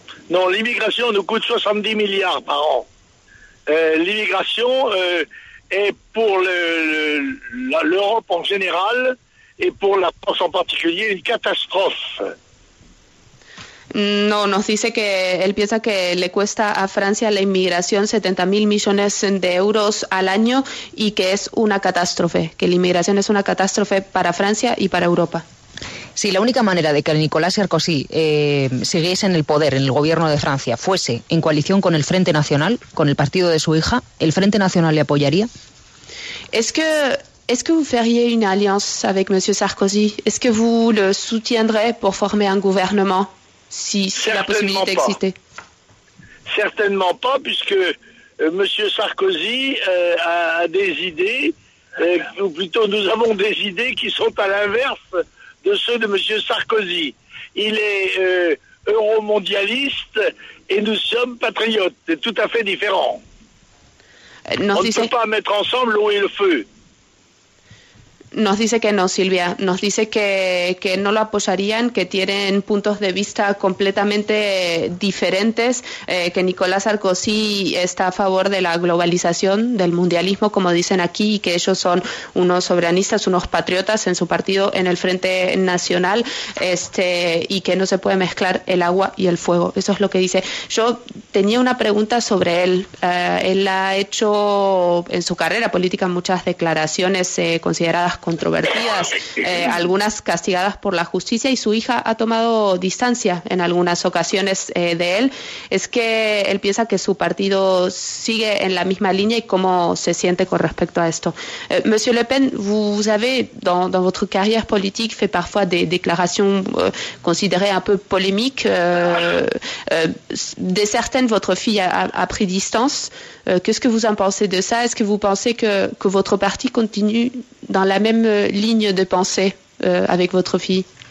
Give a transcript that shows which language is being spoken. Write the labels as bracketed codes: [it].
[fr] Non, l'immigration nous coûte 70 milliards par an. L'immigration est pour l'Europe en général et pour la France en particulier une catastrophe. [es] No, nos dice que él piensa que le cuesta a Francia la inmigración 70.000 millones de euros al año y que es una catástrofe, que la inmigración es una catástrofe para Francia y para Europa. Si la única manera de que Nicolás Sarkozy siguiese en el poder, en el gobierno de Francia, fuese en coalición con el Frente Nacional, con el partido de su hija, ¿el Frente Nacional le apoyaría? [fr] Est-ce que vous feriez una alianza avec M. Sarkozy? ¿Es que vous le soutiendrez pour former un gouvernement? Si la possibilité existait. Certainement pas, puisque M. Sarkozy a des idées, ou plutôt nous avons des idées qui sont à l'inverse de ceux de M. Sarkozy. Il est euromondialiste et nous sommes patriotes. C'est tout à fait différent. On ne peut pas mettre ensemble l'eau et le feu. [es] Nos dice que no, Silvia. Nos dice que no lo apoyarían, que tienen puntos de vista completamente diferentes, que Nicolás Sarkozy está a favor de la globalización, del mundialismo, como dicen aquí, y que ellos son unos soberanistas, unos patriotas en su partido, en el Frente Nacional, y que no se puede mezclar el agua y el fuego. Eso es lo que dice. Yo tenía una pregunta sobre él. Él ha hecho en su carrera política muchas declaraciones consideradas controvertidas, algunas castigadas por la justicia, y su hija ha tomado distancia en algunas ocasiones de él. ¿Es que él piensa que su partido sigue en la misma línea y cómo se siente con respecto a esto? [fr] Monsieur Le Pen, vous avez dans votre carrière politique fait parfois des déclarations considérées un peu polémiques. De certaines, votre fille a pris distance. Qu'est-ce que vous en pensez de ça? Est-ce que vous pensez que votre parti continue dans la même ligne de pensée avec votre fille?